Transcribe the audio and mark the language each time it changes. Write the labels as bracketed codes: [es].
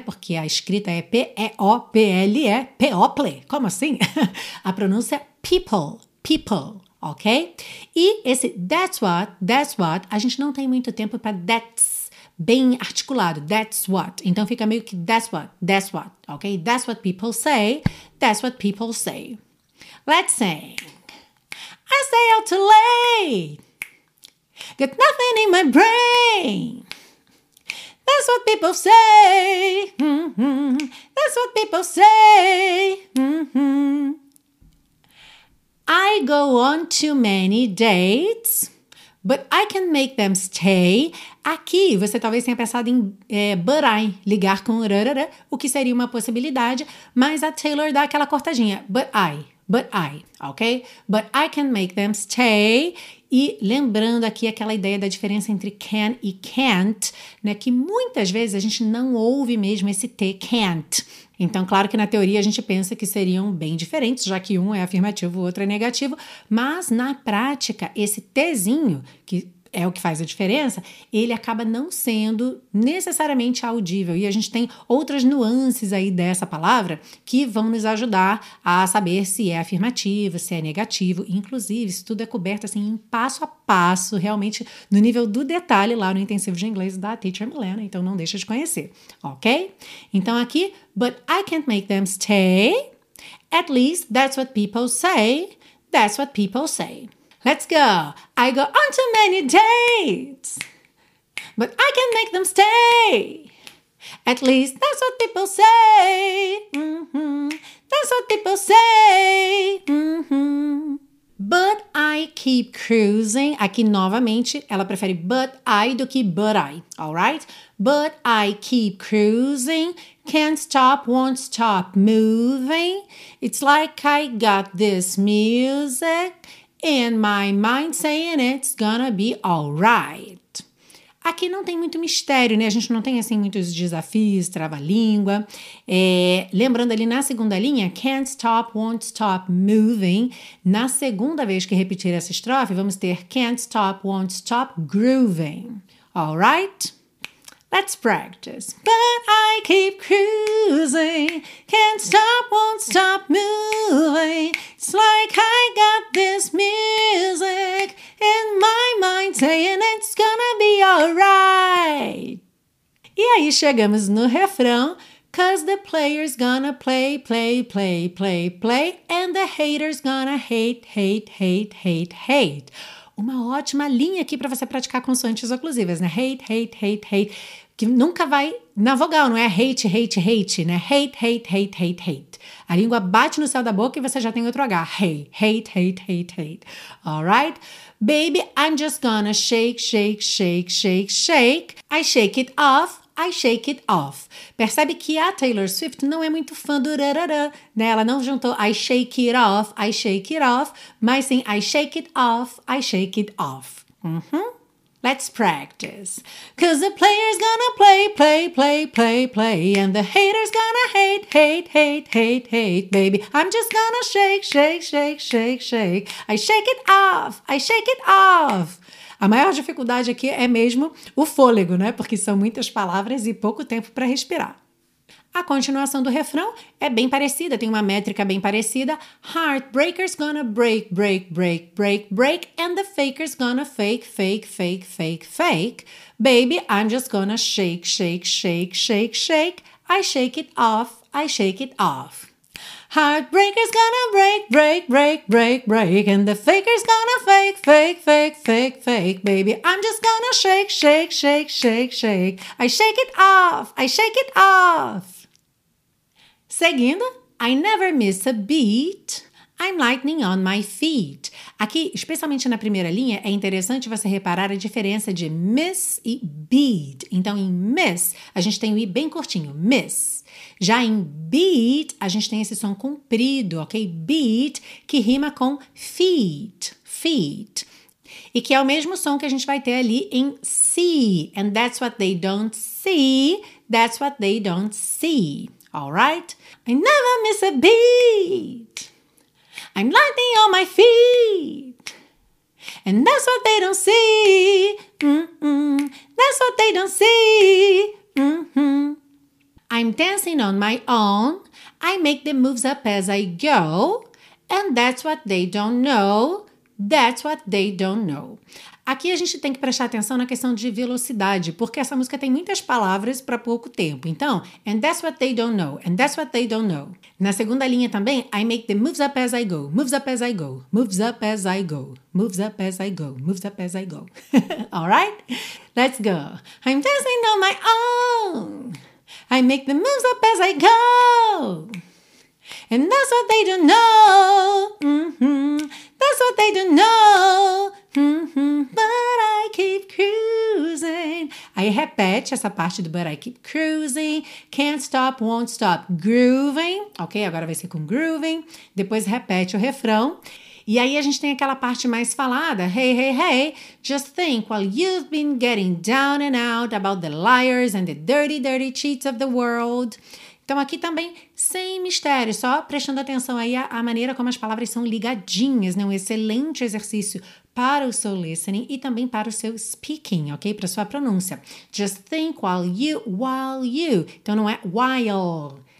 [pt] Porque a escrita é P-E-O-P-L-E, P-O-P-L-E, como assim? A pronúncia é people, people. Ok? E esse [en] that's what, [pt] a gente não tem muito tempo para that's bem articulado, that's what. Então fica meio que that's what, ok? [en] That's what people say, that's what people say. Let's sing. I stay out too late. Got nothing in my brain. That's what people say. Mm-hmm. That's what people say. Mm-hmm. I go on too many dates, but I can make them stay. [pt] Aqui, você talvez tenha pensado em but I, ligar com rarara, o que seria uma possibilidade, mas a Taylor dá aquela cortadinha, but I, ok? [en] But I can make them stay. [pt] E lembrando aqui aquela ideia da diferença entre can e can't, né? Que muitas vezes a gente não ouve mesmo esse T, can't. Então, claro que na teoria a gente pensa que seriam bem diferentes, já que um é afirmativo, o outro é negativo. Mas, na prática, esse Tzinho, que é o que faz a diferença, ele acaba não sendo necessariamente audível. E a gente tem outras nuances aí dessa palavra que vão nos ajudar a saber se é afirmativo, se é negativo. Inclusive, isso tudo é coberto assim, em passo a passo, realmente no nível do detalhe lá no Intensivo de Inglês da Teacher Milena. Então, não deixa de conhecer, ok? Então, aqui, [en] but I can't make them stay. At least, that's what people say. That's what people say. Let's go. I go on too many dates, but I can make them stay. At least that's what people say. Mm-hmm. That's what people say. Mm-hmm. But I keep cruising. [pt] Aqui, novamente, ela prefere but I do que but I, alright? [en] But I keep cruising. Can't stop, won't stop moving. It's like I got this music in my mind saying it's gonna be alright. [pt] Aqui não tem muito mistério, né? A gente não tem, assim, muitos desafios, trava-língua. É, lembrando ali na segunda linha, [en] can't stop, won't stop moving. [pt] Na segunda vez que repetir essa estrofe, vamos ter [en] can't stop, won't stop grooving. All right? Let's practice. But I keep cruising. Can't stop, won't stop moving. It's like I got this music in my mind saying it's gonna be alright. [pt] E aí chegamos no refrão. [en] 'Cause the player's gonna play, play, play, play, play. And the hater's gonna hate, hate, hate, hate, hate. [pt] Uma ótima linha aqui para você praticar consoantes oclusivas, né? [en] Hate, hate, hate, hate. [pt] Que nunca vai na vogal, não é [en] hate, hate, hate, [pt] né? [en] Hate, hate, hate, hate, hate. [pt] A língua bate no céu da boca e você já tem outro H. [en] Hey, hate, hate, hate, hate. All right? Baby, I'm just gonna shake, shake, shake, shake, shake. I shake it off, I shake it off. [pt] Percebe que a Taylor Swift não é muito fã do rarará, né? Ela não juntou [en] I shake it off, I shake it off. [pt] Mas sim, [en] I shake it off, I shake it off. Uhum. Let's practice. 'Cause the player's gonna play, play, play, play, play. And the hater's gonna hate, hate, hate, hate, hate, baby. I'm just gonna shake, shake, shake, shake, shake. I shake it off, I shake it off. [pt] A maior dificuldade aqui é mesmo o fôlego, né? Porque são muitas palavras e pouco tempo para respirar. A continuação do refrão é bem parecida, tem uma métrica bem parecida. [en] Heartbreaker's gonna break, break, break, break, break. And the faker's gonna fake, fake, fake, fake, fake. Baby, I'm just gonna shake, shake, shake, shake, shake. I shake it off, I shake it off. Heartbreaker's gonna break, break, break, break, break. And the faker's gonna fake, fake, fake, fake, fake. Baby, I'm just gonna shake, shake, shake, shake, shake. I shake it off, I shake it off. [pt] Seguindo, [en] I never miss a beat, I'm lightning on my feet. [pt] Aqui, especialmente na primeira linha, é interessante você reparar a diferença de miss e beat. Então, em miss, a gente tem o I bem curtinho, miss. Já em beat, a gente tem esse som comprido, ok? Beat, que rima com feet, feet. E que é o mesmo som que a gente vai ter ali em see. [en] And that's what they don't see, that's what they don't see. All right? I never miss a beat. I'm lightning on my feet. And that's what they don't see. Mm-mm. That's what they don't see. Mm-hmm. I'm dancing on my own. I make the moves up as I go. And that's what they don't know. That's what they don't know. [pt] Aqui a gente tem que prestar atenção na questão de velocidade, porque essa música tem muitas palavras para pouco tempo. Então, [en] and that's what they don't know, and that's what they don't know. [pt] Na segunda linha também, [en] I make the moves up as I go, moves up as I go, moves up as I go, moves up as I go, moves up as I go. All right? Let's go. I'm dancing on my own. I make the moves up as I go. And that's what they don't know. Mm-hmm. That's what they don't know. Mm-hmm, but I keep cruising. [pt] Aí repete essa parte do [en] but I keep cruising. Can't stop, won't stop grooving. [pt] Ok, agora vai ser com grooving. Depois repete o refrão. E aí a gente tem aquela parte mais falada. [en] Hey, hey, hey. Just think while you've been getting down and out about the liars and the dirty, dirty cheats of the world. [pt] Então aqui também sem mistério, só prestando atenção aí à maneira como as palavras são ligadinhas, né? Um excelente exercício para o seu listening e também para o seu speaking, ok? Para a sua pronúncia. [en] Just think while you, [pt] então não é while.